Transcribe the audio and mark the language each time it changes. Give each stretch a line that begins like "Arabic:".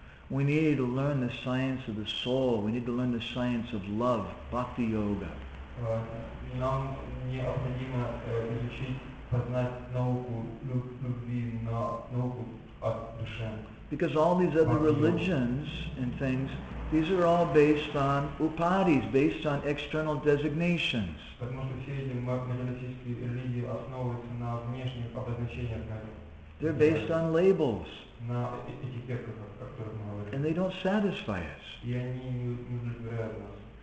English: We need to learn the science of the soul, we need to learn the science of love, Bhakti Yoga.
Russian: Нам необходимо изучить, познать науку любви, науку от души.
English: Because all these other religions and things, these are all based on upadis, based on external designations.
Russian: Потому что все эти материалистические религии основываются на внешних обозначениях.
English: They're based on labels.
Russian: На этикетках, о которых мы говорим.
English: And they don't satisfy us.
Russian: И они не удовлетворяют нас.